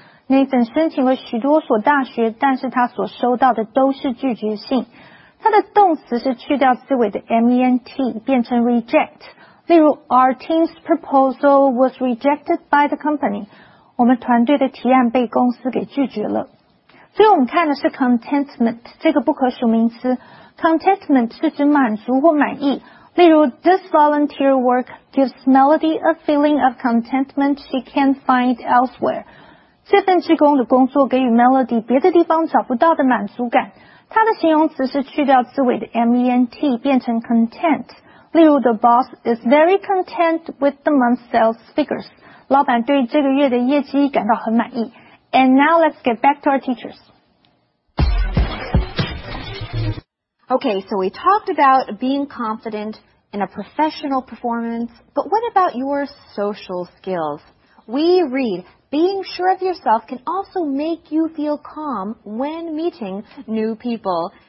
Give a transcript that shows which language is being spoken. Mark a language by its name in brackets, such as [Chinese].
[Chinese] Nathan 申请了许多所大学但是他所收到的都是拒绝信他的动词是去掉字尾的 MENT 变成 reject例如 , [English] our team's proposal was rejected by the company. [Chinese] 我们团队的提案被公司给拒绝了。所以我们看的是 contentment, 这个不可数名词。 Contentment 是指满足或满意。例如 [English] ,this volunteer work gives Melody a feeling of contentment she can't find elsewhere. [Chinese] 这份志工的工作给予 Melody 别的地方找不到的满足感。它的形容词是去掉字尾的 ment, 变成 content。例如 [English] the boss is very content with the month's sales figures. [Chinese] 老板对这个月的业绩感到很满意。 [English] And now let's get back to our teachers. Okay, so we talked about being confident in a professional performance, but what about your social skills? We read, Being sure of yourself can also make you feel calm when meeting new people.